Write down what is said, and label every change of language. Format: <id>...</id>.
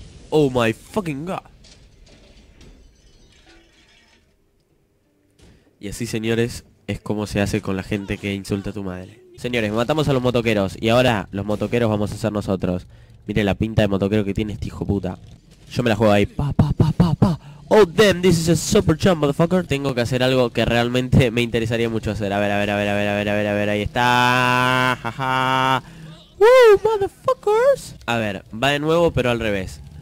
<en>Oh my fucking god.</en> <es>Y así, señores, es como se hace con la gente que insulta a tu madre. Señores, matamos a los motoqueros. Y ahora, los motoqueros vamos a ser nosotros. Miren la pinta de motoquero que tiene este hijo puta. Yo me la juego ahí. Pa, pa, pa, pa, pa.</es> <en>Oh, damn, this is a super jump, motherfucker.</en> <es>Tengo que hacer algo que realmente me interesaría mucho hacer. A ver, a ver, a ver, a ver, a ver, a ver, a ver. Ahí está. Jaja.</es> <en>Woo, motherfuckers.</en> <es>A ver, va de nuevo, pero al revés.</es>